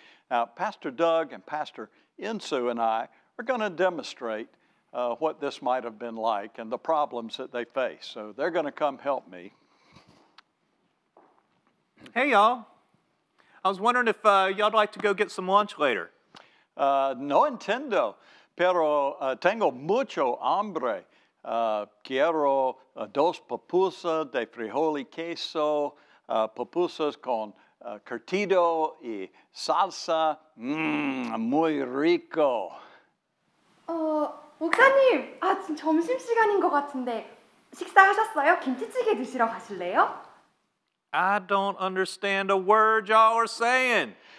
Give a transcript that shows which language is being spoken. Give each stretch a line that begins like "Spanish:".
English: Now, Pastor Doug and Pastor Insu and I are going to demonstrate what this might have been like and the problems that they face. So they're going to come help me. Hey, y'all. I was wondering if y'all'd like to go get some lunch later.
Spanish: No entiendo, pero tengo mucho hambre. Quiero dos pupusas de frijol y queso, pupusas con curtido y salsa, muy rico.
Korean: 목사님, 아직 점심시간인 것 같은데 식사하셨어요? 김치찌개 드시러 가실래요?
English: I don't understand a word y'all are saying.